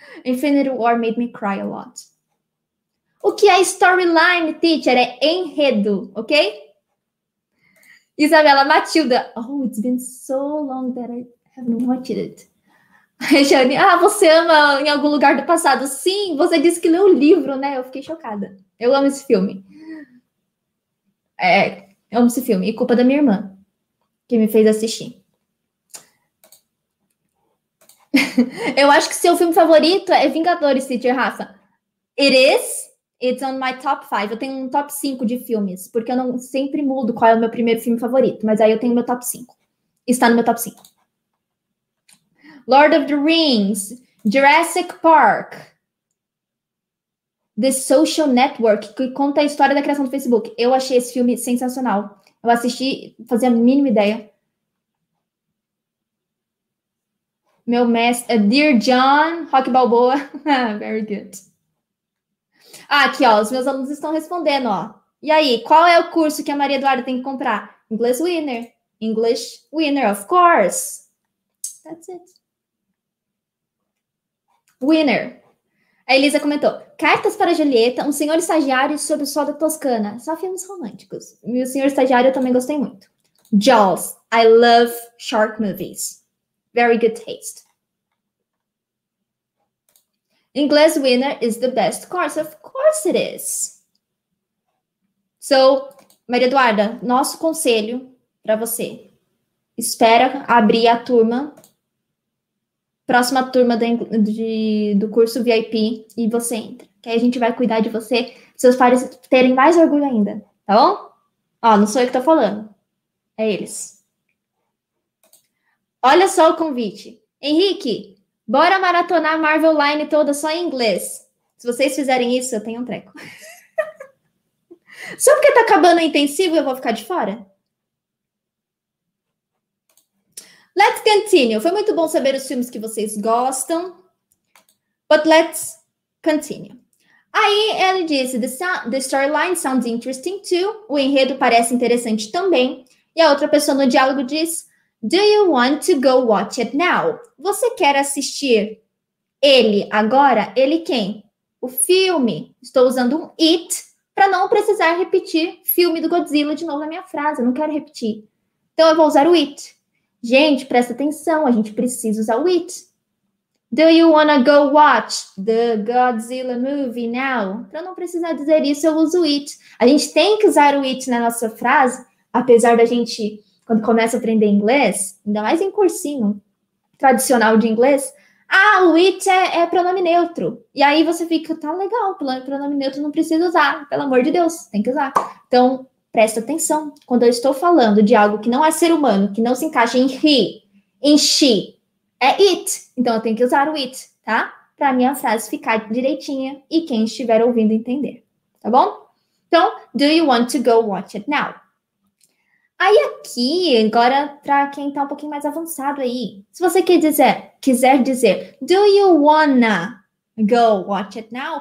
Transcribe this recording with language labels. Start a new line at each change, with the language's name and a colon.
English: Infinity War made me cry a lot.
Portuguese: O que é storyline, teacher? É enredo, ok? Isabela, Matilda.
English: Oh, it's been so long that I haven't watched it.
Portuguese: Jane, ah, você ama Em Algum Lugar do Passado. Sim, você disse que leu o livro, né? Eu fiquei chocada. Eu amo esse filme. É, eu amo esse filme. E culpa da minha irmã, que me fez assistir. Eu acho que seu filme favorito é Vingadores, teacher Rafa.
English: It is. It's on my top 5.
Portuguese: Eu tenho um top 5 de filmes, porque eu não sempre mudo qual é o meu primeiro filme favorito, mas aí eu tenho meu top 5. Está no meu top 5. Lord of the Rings, Jurassic Park, The Social Network, que conta a história da criação do Facebook. Eu achei esse filme sensacional. Eu assisti, fazia a mínima ideia. Meu mestre, Dear John, Rock Balboa.
English: Very good.
Portuguese: Ah, aqui, ó, os meus alunos estão respondendo, ó. E aí, qual é o curso que a Maria Eduarda tem que comprar?
English: English Winner. English Winner, of course. That's it.
Portuguese: Winner. A Elisa comentou. Cartas para Julieta, Um Senhor Estagiário sobre o Sol da Toscana. Só filmes românticos. E O Senhor Estagiário eu também gostei muito.
English: Jaws. I love shark movies. Very good taste. English Winner is the best course. Of course it is.
Portuguese: So, Maria Eduarda, nosso conselho para você. Espera abrir a turma. Próxima turma do curso VIP e você entra. Que aí a gente vai cuidar de você, seus pais terem mais orgulho ainda, tá bom? Ó, não sou eu que tô falando. É eles. Olha só o convite. Henrique, bora maratonar Marvel Line toda só em inglês. Se vocês fizerem isso, eu tenho um treco. Só porque tá acabando o intensivo, eu vou ficar de fora?
English: Let's continue.
Portuguese: Foi muito bom saber os filmes que vocês gostam.
English: But let's continue.
Portuguese: Aí ele disse,
English: the storyline sounds interesting too.
Portuguese: O enredo parece interessante também. E a outra pessoa no diálogo diz,
English: do you want to go watch it now?
Portuguese: Você quer assistir ele agora? Ele quem? O filme. Estou usando um it para não precisar repetir filme do Godzilla de novo na minha frase. Eu não quero repetir. Então eu vou usar o it. Gente, presta atenção, a gente precisa usar o it.
English: Do you wanna go watch the Godzilla movie now?
Portuguese: Pra não precisar dizer isso, eu uso o it. A gente tem que usar o it na nossa frase, apesar da gente, quando começa a aprender inglês, ainda mais em cursinho tradicional de inglês, ah, o it é pronome neutro. E aí você fica, tá legal, pronome neutro não precisa usar, pelo amor de Deus, tem que usar. Então, presta atenção, quando eu estou falando de algo que não é ser humano, que não se encaixa em he, em she, é it. Então eu tenho que usar o it, tá? Para a minha frase ficar direitinha e quem estiver ouvindo entender, tá bom?
English: Então, do you want to go watch it now?
Portuguese: Aí aqui, agora para quem está um pouquinho mais avançado aí, se você quiser dizer,
English: do you wanna go watch it now?